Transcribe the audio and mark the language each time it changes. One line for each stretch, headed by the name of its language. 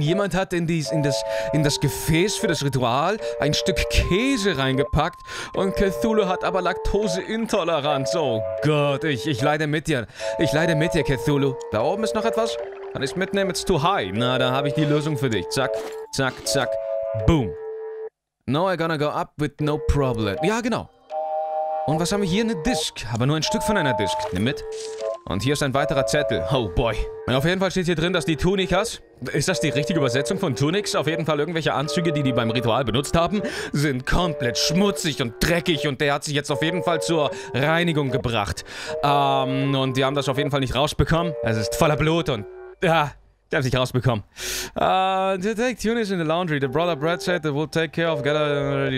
German: Jemand hat in das Gefäß für das Ritual ein Stück Käse reingepackt. Und Cthulhu hat aber Laktoseintoleranz. Oh Gott. Ich leide mit dir. Ich leide mit dir, Cthulhu. Da oben ist noch etwas. Kann ich es mitnehmen?
English: It's too high.
German: Na, da habe ich die Lösung für dich. Zack, zack, zack. Boom.
English: Now I'm gonna go up with no problem.
German: Ja, genau. Und was haben wir hier? Eine Disc. Aber nur ein Stück von einer Disc. Nimm mit. Und hier ist ein weiterer Zettel.
English: Oh boy.
German: Und auf jeden Fall steht hier drin, dass die Tunikas... Ist das die richtige Übersetzung von Tunics? Auf jeden Fall irgendwelche Anzüge, die beim Ritual benutzt haben, sind komplett schmutzig und dreckig und der hat sich jetzt auf jeden Fall zur Reinigung gebracht. Und die haben das auf jeden Fall nicht rausbekommen. Es ist voller Blut und... Ja, Der hat sich rausbekommen.
English: The Detective is in the laundry. The brother Brad said they will take care of getting ready.